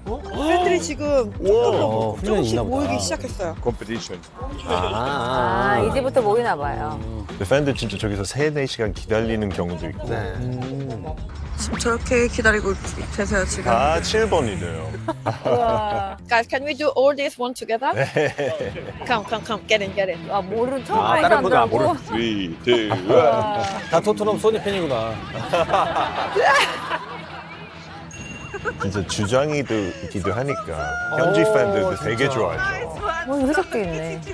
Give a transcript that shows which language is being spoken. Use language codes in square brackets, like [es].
[ko] 팬들이 지금 조금씩 모이기 시작했어요. 컴피티션. 아, 이제부터 모이나 봐요. 팬들 진짜 저기서 3, 4시간 기다리는 경우도 있고. 네. 지금 저렇게 기다리고 계세요, 지금. 아, 7번이네요. [en] Guys, can we do all this one together? come, get in. [ko] 와, 모르는 처음 하는 사람들. 다른 분들 안 모르는. 3, 2, 1. 다 토트넘 소니 팬이구나. 진짜 주장이기도 하니까 현지 팬들도 되게 좋아하죠. 뭐 의석도 있네.